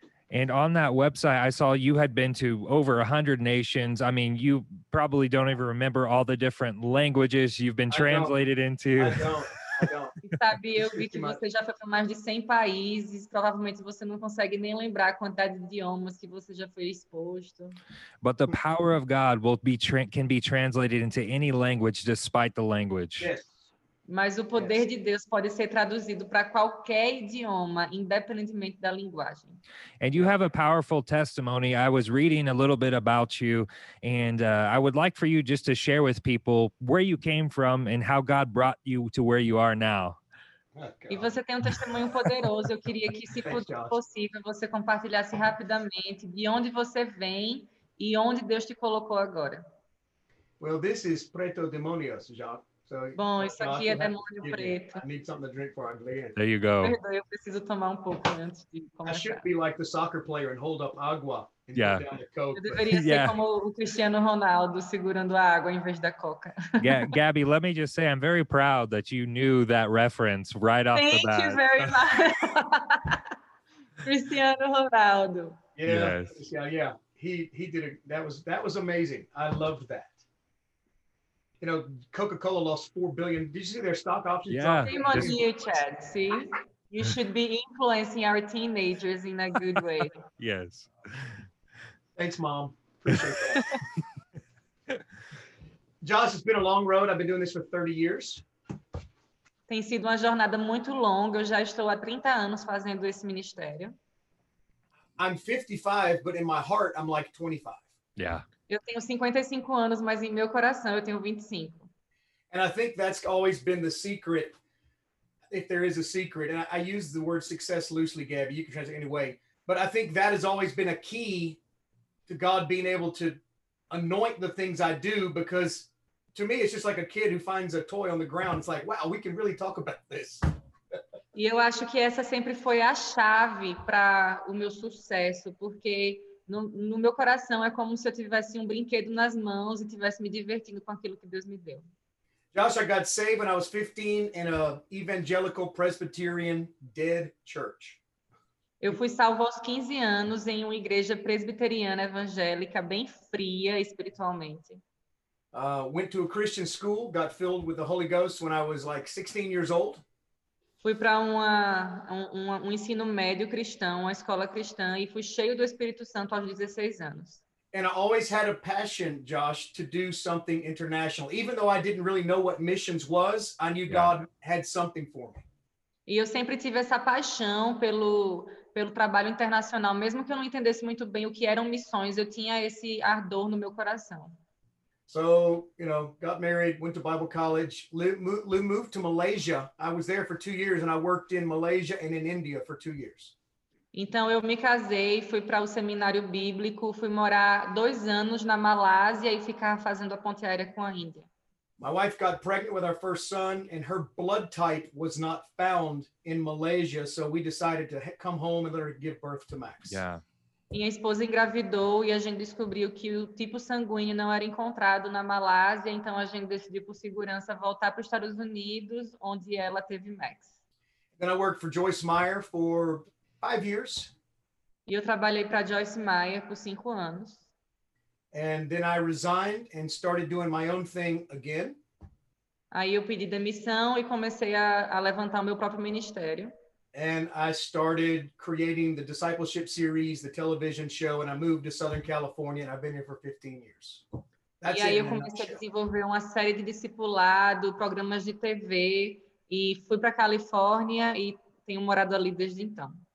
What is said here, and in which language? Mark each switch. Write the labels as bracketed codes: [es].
[en] And on that website, I saw you had been to over 100 nations. I mean, you probably don't even remember all the different languages you've been translated into. I don't. [pt] Sabe, eu vi que você já foi para mais de 100 países. Provavelmente você não consegue nem lembrar a quantidade de idiomas que você já foi exposto. [en] But the power of God can be translated into any language despite the language. Yes. [pt] Mas o poder de Deus pode ser traduzido para qualquer idioma, independentemente da linguagem. [en] And you have a powerful testimony. I was reading a little bit about you, and I would like for you just to share with people where you came from and how God brought you to where you are now. [pt] Oh, e você tem um testemunho poderoso. Eu queria que, se possível, você compartilhasse rapidamente de onde você vem e onde Deus te colocou agora. [en] Well, this is [pt] Preto Demonios, já. Bom, isso aqui é demônio preto. [en] I need something to drink before I begin. There you go. [pt] Eu preciso tomar um pouco antes de começar. [en] I should be like the soccer player and hold up água and put down the Coke. [pt] Eu deveria ser como o Cristiano Ronaldo segurando a água em vez da Coca. [en] Yeah, Gabby, let me just say, I'm very proud that you knew that reference right off the bat. Thank you very much. Cristiano Ronaldo. Yeah. That was amazing. I loved that. You know, Coca-Cola lost $4 billion. Did you see their stock options? Yeah. Same on you, Chad. See? You should be influencing our teenagers in a good way. Yes. Thanks, Mom. Appreciate that. Josh, it's been a long road. I've been doing this for 30 years. [pt] Tem sido uma jornada muito longa. Eu já estou há 30 anos fazendo esse ministério. [en] I'm 55, but in my heart, I'm like 25. Yeah. [pt] Eu tenho 55 anos, mas em meu coração eu tenho 25. [en] And I think that's always been the secret, if there is a secret. And I use the word success loosely, Gabby. You can translate it anyway. But I think that has always been a key to God being able to anoint the things I do, because to me it's just like a kid who finds a toy on the ground. It's like, wow, we can really talk about this. [pt] E eu acho que essa sempre foi a chave para o meu sucesso, porque no meu coração é como se eu tivesse um brinquedo nas mãos e tivesse me divertindo com aquilo que Deus me deu. [en] Josh, I got saved when I was 15 in an evangelical Presbyterian dead church. [pt] Eu fui salvo aos 15 anos em uma igreja presbiteriana evangélica bem fria espiritualmente. [en] Went to a Christian school, got filled with the Holy Ghost when I was like 16 years old. [pt] Fui para um ensino médio cristão, uma escola cristã, e fui cheio do Espírito Santo aos 16 anos. [en] And I always had a passion, Josh, to do something international. Even though I didn't really know what missions was, I knew God had something for me. [pt] E eu sempre tive essa paixão pelo trabalho internacional. Mesmo que eu não entendesse muito bem o que eram missões, eu tinha esse ardor no meu coração. [en] So, you know, got married, went to Bible college, Lou moved to Malaysia. I was there for 2 years and I worked in Malaysia and in India for 2 years. [pt] Então, eu me casei, fui para o seminário bíblico, fui morar 2 anos na Malásia e ficar fazendo a ponte aérea com a Índia. [en] My wife got pregnant with our first son and her blood type was not found in Malaysia. So we decided to come home and let her give birth to Max. Yeah. [pt] Minha esposa engravidou e a gente descobriu que o tipo sanguíneo não era encontrado na Malásia, então a gente decidiu por segurança voltar para os Estados Unidos, onde ela teve Max. [en] Then I worked for Joyce Meyer for 5 years. [pt] E eu trabalhei para Joyce Meyer por 5 anos. [en] And then I resigned and started doing my own thing again. [pt] Aí eu pedi demissão e comecei a levantar o meu próprio ministério. [en] And I started creating the discipleship series, the television show, and I moved to Southern California, and I've been here for 15 years. That's it. [pt] E aí eu comecei a desenvolver uma série de discipulado, programas de TV, e fui para Califórnia e tenho morado ali desde então.